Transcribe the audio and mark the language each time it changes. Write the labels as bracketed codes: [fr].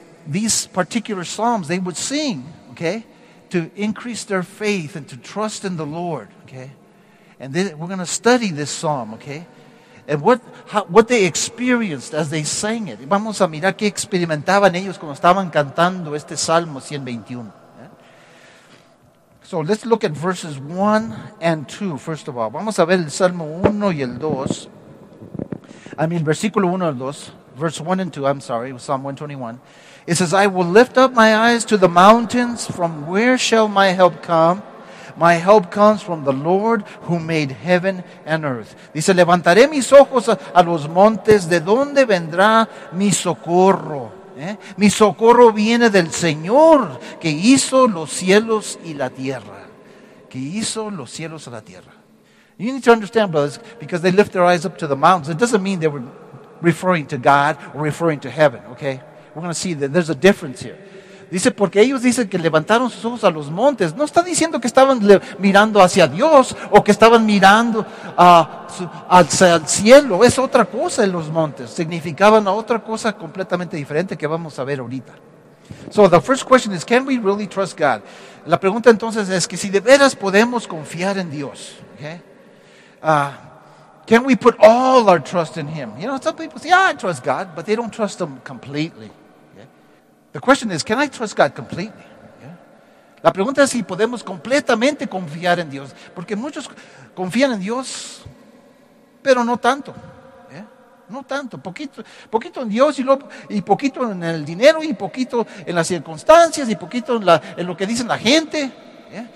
[en] These particular psalms, they would sing, okay? To increase their faith and to trust in the Lord, okay? And then we're going to study this psalm, okay? And what they experienced as they sang it. [es] Vamos a mirar qué experimentaban ellos cuando estaban cantando este Salmo 121. [en] So let's look at verses 1 and 2, first of all. [es] Vamos a ver el Salmo 1 y el 2. El versículo 1 y 2. [en] Verse 1 and 2, I'm sorry, Psalm 121. It says, I will lift up my eyes to the mountains. From where shall my help come? My help comes from the Lord who made heaven and earth. [es] Dice, levantaré mis ojos a los montes. ¿De dónde vendrá mi socorro? ¿Eh? Mi socorro viene del Señor que hizo los cielos y la tierra. Que hizo los cielos y la tierra. [en] You need to understand, brothers, because they lift their eyes up to the mountains. It doesn't mean they were referring to God or referring to heaven, okay? We're going to see that there's a difference here. [es] Dice, porque ellos dicen que levantaron sus ojos a los montes. No está diciendo que estaban mirando hacia Dios o que estaban mirando al cielo. Es otra cosa en los montes. Significaban otra cosa completamente diferente que vamos a ver ahorita. [en] So the first question is, can we really trust God? [es] La pregunta entonces es que si de veras podemos confiar en Dios. [en] Okay? Can we put all our trust in Him? You know, some people say, yeah, I trust God, but they don't trust Him completely. The question is, can I trust God completely? Yeah. [es] La pregunta es si podemos completamente confiar en Dios. Porque muchos confían en Dios, pero no tanto. Yeah. No tanto. Poquito en Dios y poquito en el dinero y poquito en las circunstancias y poquito en lo que dicen la gente. Yeah.